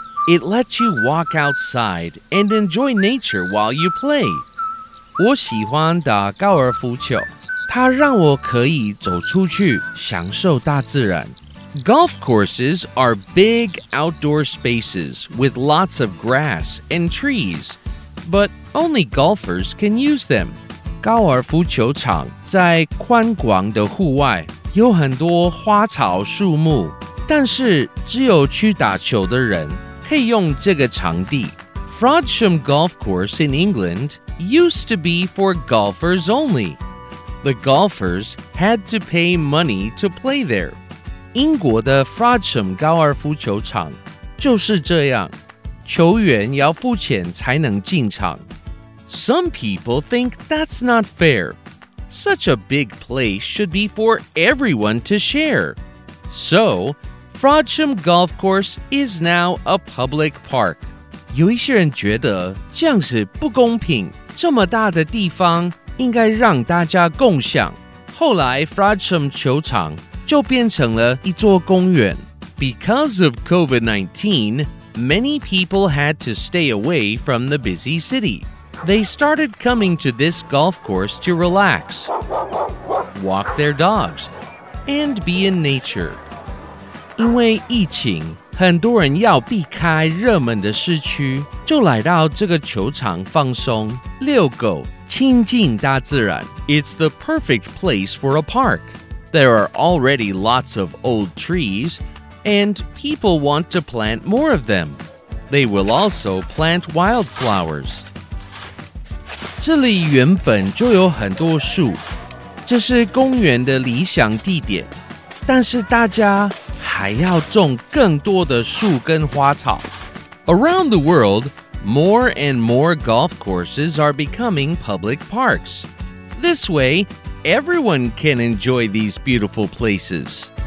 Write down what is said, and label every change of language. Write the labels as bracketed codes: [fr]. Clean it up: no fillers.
[en] It lets you walk outside and enjoy nature while you play. [zh] 我喜欢打高尔夫球，它让我可以走出去享受大自然。 [en] Golf courses are big outdoor spaces with lots of grass and trees, but only golfers can use them. [zh] 高尔夫球场在宽广的户外，有很多花草树木，但是只有去打球的人可以用这个场地。 [en] Frodsham Golf Course in England used to be for golfers only. The golfers had to pay money to play there. [zh] 英国的 Frodsham 高尔夫球场就是这样，球员要付钱才能进场。 [en] Some people think that's not fair. Such a big place should be for everyone to share. So, Frodsham Golf Course is now a public park. [zh] 有一些人觉得这样子不公平，这么大的地方应该让大家共享。后来 Frodsham 球场就变成了一座公园。 [en] Because of COVID-19, many people had to stay away from the busy city. They started coming to this golf course to relax, walk their dogs, and be in nature. [zh] 因为疫情，很多人要避开热门的市区，就来到这个球场放松、遛狗、亲近大自然。 [en] It's the perfect place for a park. There are already lots of old trees, and people want to plant more of them. They will also plant wildflowers. [zh] 这里原本就有很多树，这是公园的理想地点，但是大家还要种更多的树跟花草。 [en] Around the world, more and more golf courses are becoming public parks. This way,Everyone can enjoy these beautiful places.